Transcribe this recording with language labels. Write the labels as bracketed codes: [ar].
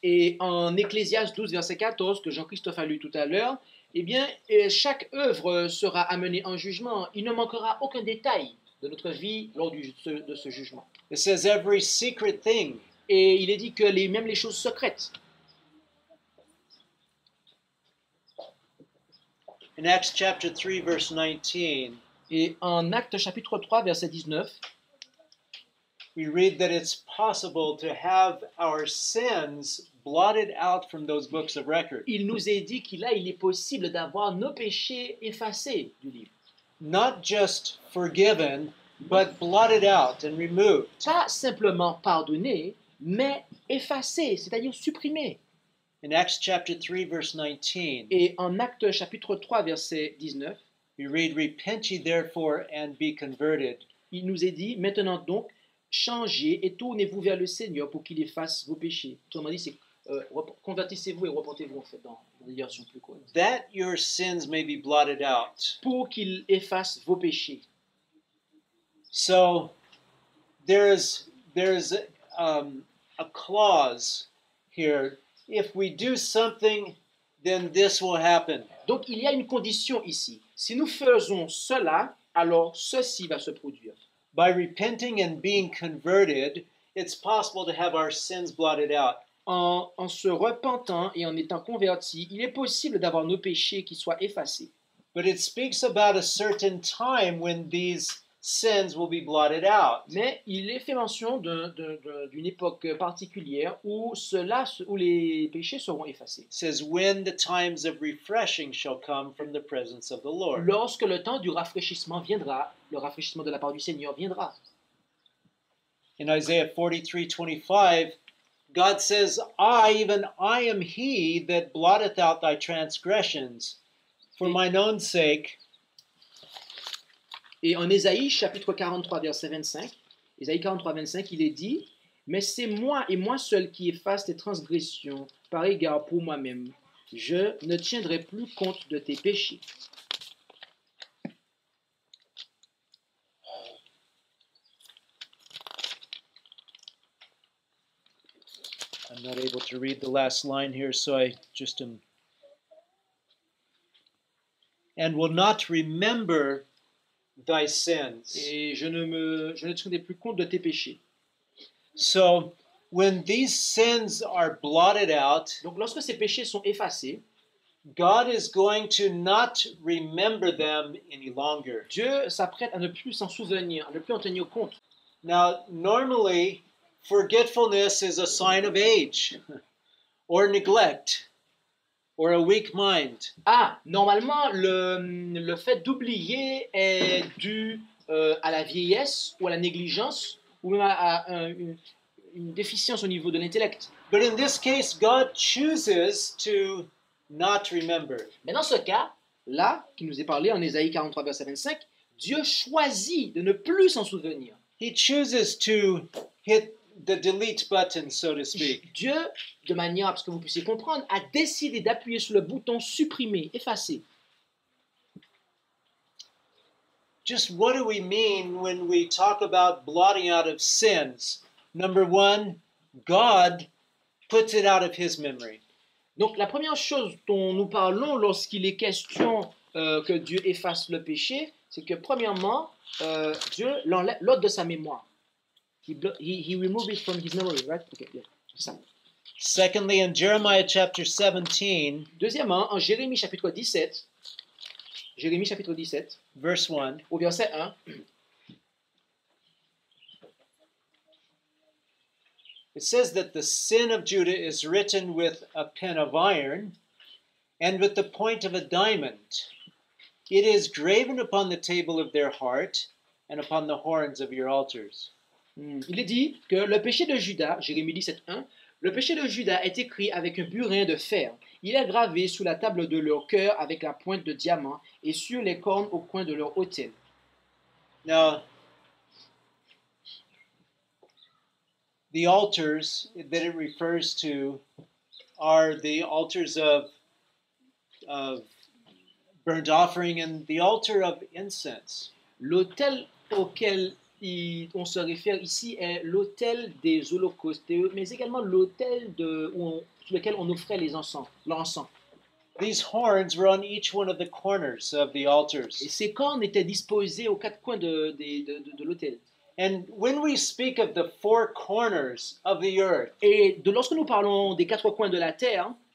[fr] Et en Ecclésiaste 12, verset 14, que Jean-Christophe a lu tout à l'heure, eh bien, chaque œuvre sera amenée en jugement. Il ne manquera aucun détail de notre vie lors de ce jugement. [en] It says every secret thing. [fr] Et il est dit que même les choses secrètes. [en] In Acts chapter 3, verse 19. [fr] Et en Actes chapitre 3, verset 19. [en] We read that it's possible to have our sins blotted out from those books of record. [fr] Il nous est dit qu'il est possible d'avoir nos péchés effacés du livre. [en] Not just forgiven, but blotted out and removed. [fr] Pas simplement pardonné, mais effacé, c'est-à-dire supprimé. [en] In Acts chapter 3, verse 19. [fr] Et en Actes chapitre 3, verset 19. [en] We read, "Repent ye therefore and be converted." [fr] Il nous est dit, maintenant donc, changez et tournez-vous vers le Seigneur pour qu'il efface vos péchés. Autrement dit, c'est convertissez-vous et repentez-vous, en fait, dans les versions plus courtes. [en] That your sins may be blotted out. [fr] Pour qu'il efface vos péchés. [en] So, there's a clause here. If we do something, then this will happen. [fr] Donc, il y a une condition ici. Si nous faisons cela, alors ceci va se produire. [en] By repenting and being converted, it's possible to have our sins blotted out. [fr] En se repentant et en étant converti, il est possible d'avoir nos péchés qui soient effacés. [en] But it speaks about a certain time when these sins will be blotted out. [fr] Mais il est fait mention d'une époque particulière où les péchés seront effacés. [en] It says when the times of refreshing shall come from the presence of the Lord. [fr] Lorsque le temps du rafraîchissement viendra, le rafraîchissement de la part du Seignur viendra. [en] In Isaiah 43:25, God says, I am he that blotteth out thy transgressions for mine own sake. [fr] Et en Ésaïe, chapitre 43, verset 25, Ésaïe 43, 25, il est dit, « Mais c'est moi et moi seul qui efface tes transgressions par égard pour moi-même. Je ne tiendrai plus compte de tes péchés. » [en] I'm not able to read the last line here, so I just am... And will not remember... Thy sins. [fr] Et je ne tiendrai plus compte de tes péchés. [en] So, when these sins are blotted out, [fr] donc lorsque ces péchés sont effacés, [en] God is going to not remember them any longer. [fr] Dieu s'apprête à ne plus s'en souvenir, à ne plus en tenir compte. [en] Now, normally, forgetfulness is a sign of age, or neglect, or a weak mind. [fr] Ah, normalement, le fait d'oublier est dû à la vieillesse ou à la négligence ou même à une déficience au niveau de l'intellect. [en] But in this case, God chooses to not remember. [fr] Mais dans ce cas, là, qui nous est parlé en Ésaïe 43, verset 25, Dieu choisit de ne plus s'en souvenir. [en] He chooses to hit the delete button, so to speak. [fr] Dieu, de manière à ce que vous puissiez comprendre, a décidé d'appuyer sur le bouton supprimer, effacer. [en] Just what do we mean when we talk about blotting out of sins? Number one, God puts it out of his memory. [fr] Donc la première chose dont nous parlons lorsqu'il est question que Dieu efface le péché, c'est que premièrement, Dieu l'enlève de sa mémoire. [en] He removes it from his memory, right? Okay, yeah. [fr] Ça. [en] Secondly, in Jeremiah chapter 17, [fr] deuxièmement, en Jérémie chapitre 17, Jérémie chapitre 17, [en] verse 1, [fr] au verset 1, [en] it says that the sin of Judah is written with a pen of iron and with the point of a diamond. It is graven upon the table of their heart and upon the horns of your altars. [fr] Il est dit que le péché de Judas, Jérémie 17:1, le péché de Judas est écrit avec un burin de fer. Il est gravé sous la table de leur cœur avec la pointe de diamant et sur les cornes au coin de leur autel. [en] Now, the altars that it refers to are the altars of burnt offering and the altar of incense. [fr] L'autel auquel on se réfère ici est l'autel des holocaustes, mais également l'autel de sur lequel on offrait les encens, l'encens. [en] These horns were on each one of the corners of the altars. [fr] Et ces cornes étaient disposées aux quatre coins de l'autel. [en] And when we speak of the four corners of the earth, [fr] et de lorsque nous parlons des quatre coins de la terre,